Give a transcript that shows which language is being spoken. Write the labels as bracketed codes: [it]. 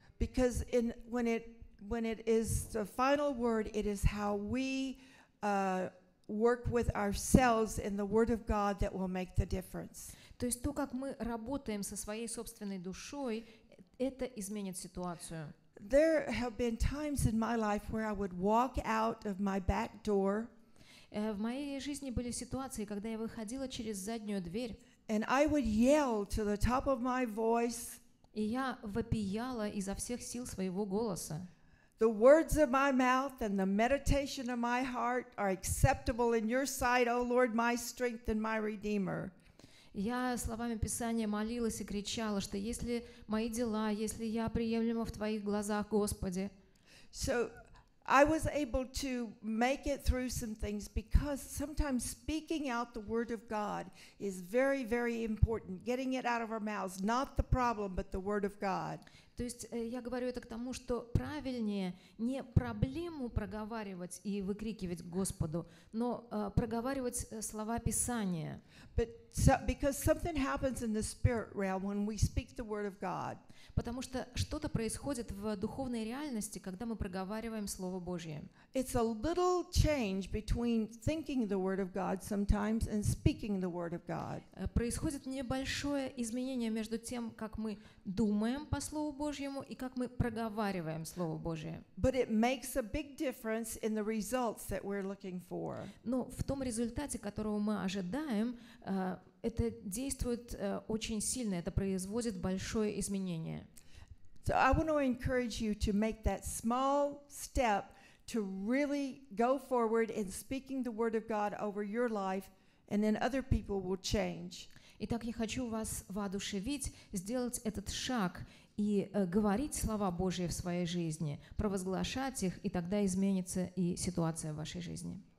[en] Because when it is the final word, it is how we work with ourselves in the Word of God that will make the difference. [ru] То есть то, как мы работаем со своей собственной душой, это изменит ситуацию. [en] There have been times in my life where I would walk out of my back door. [ru] В моей жизни были ситуации, когда я выходила через заднюю дверь. [en] And I would yell to the top of my voice. [ru] И я вопияла изо всех сил своего голоса. [en] The words of my mouth and the meditation of my heart are acceptable in your sight, O Lord, my strength and my redeemer. [ru] Я словами Писания молилась и кричала, что если мои дела, если я приемлема в твоих глазах, Господи. [en] So I was able to make it through some things because sometimes speaking out the word of God is very, very important. Getting it out of our mouths, not the problem, but the word of God. [ru] То есть я говорю это к тому, что правильнее не проблему проговаривать и выкрикивать к Господу, но проговаривать слова Писания. [en] But so, because something happens in the spirit realm when we speak the word of God. [ru] Потому что что-то происходит в духовной реальности, когда мы проговариваем Слово Божье. [en] It's a little change between thinking the word of God sometimes and speaking the word of God. [ru] Происходит небольшое изменение между тем, как мы думаем по Слову Божьему и как мы проговариваем Слово Божие. [en] But it makes a big difference in the results that we're looking for. [ru] Но в том результате, которого мы ожидаем, это действует очень сильно, это производит большое изменение. [en] So I want to encourage you to make that small step to really go forward in speaking the word of God over your life, and then other people will change. [ru] Итак, я хочу вас воодушевить, сделать этот шаг и говорить слова Божьи в своей жизни, провозглашать их, и тогда изменится и ситуация в вашей жизни.